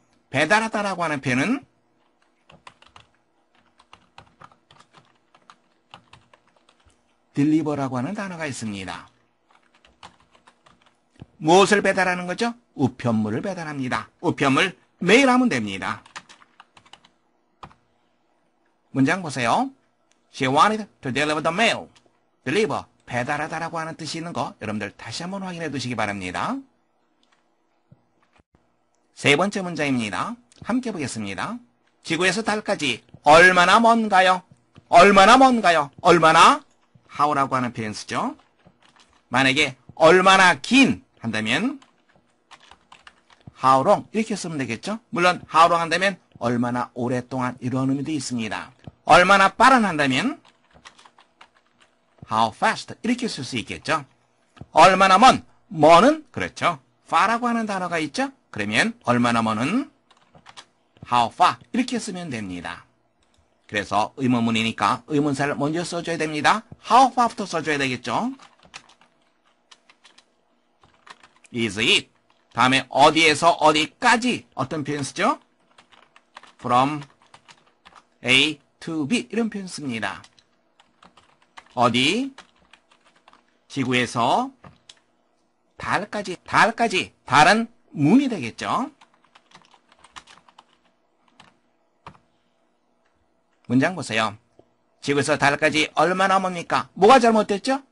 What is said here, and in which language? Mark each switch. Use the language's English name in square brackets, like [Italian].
[Korean] 배달하다라고 하는 표현은 deliver라고 하는 단어가 있습니다. 무엇을 배달하는 거죠? 우편물을 배달합니다. 우편물 메일하면 됩니다. 문장 보세요. [English] She wanted to deliver the mail. [Korean] Deliver, 배달하다라고 하는 뜻이 있는 거 여러분들 다시 한번 확인해 두시기 바랍니다. 세 번째 문장입니다. 함께 보겠습니다. 지구에서 달까지 얼마나 먼가요? 얼마나 먼가요? 얼마나? How라고 하는 표현 쓰죠. 만약에 얼마나 긴 한다면 how long 이렇게 쓰면 되겠죠? 물론 how long 한다면 얼마나 오랫동안 이런 의미도 있습니다. 얼마나 빠른 한다면 how fast 이렇게 쓸 수 있겠죠? 얼마나 먼, 먼은 그렇죠? far라고 하는 단어가 있죠? 그러면 얼마나 먼은 how far 이렇게 쓰면 됩니다. 그래서 의문문이니까 의문사를 먼저 써줘야 됩니다. how far부터 써줘야 되겠죠? is it 다음에 어디에서 어디까지 어떤 표현 쓰죠? from A to B 이런 표현 씁니다. 어디? 지구에서 달까지, 달까지 달은 문이 되겠죠? 문장 보세요. 지구에서 달까지 얼마나 멉니까? 뭐가 잘못됐죠?